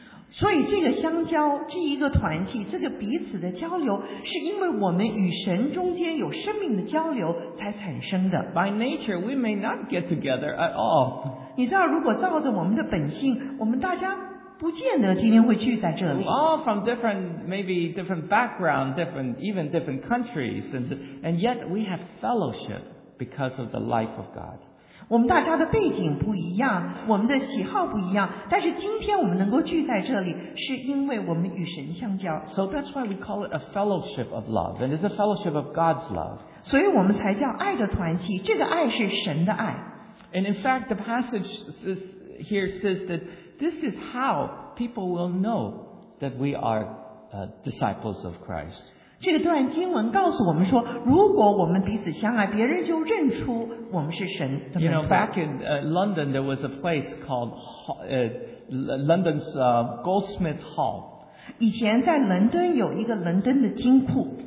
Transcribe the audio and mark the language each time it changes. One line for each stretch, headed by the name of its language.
Chinese: 所以这个相交，这一个团契，这个彼此的交流，是因为我们与神中间有生命的交流才产生的。
English: By nature, we may not get together at all.
Chinese: 你知道，如果照着我们的本性，我们大家不见得今天会聚在这里。
English: All from different, maybe different background, different, even different countries, and yet we have fellowship because of the life of God.
Chinese: 我们大家的背景不一样，我们的喜好不一样，但是今天我们能够聚在这里，是因为我们与神相交。
English: So that's why we call it a fellowship of love, and it's a fellowship of God's love.
Chinese: 所以我们才叫爱的团契，这个爱是神的爱。
English: And in fact, the passage here says that this is how people will know that we are disciples of Christ.
Chinese: 这个段经文告诉我们说，如果我们彼此相爱，别人就认出我们是神的门徒。
English: You know, back in London, there was a place called London's Goldsmith Hall.
Chinese: 以前在伦敦有一个伦敦的金库。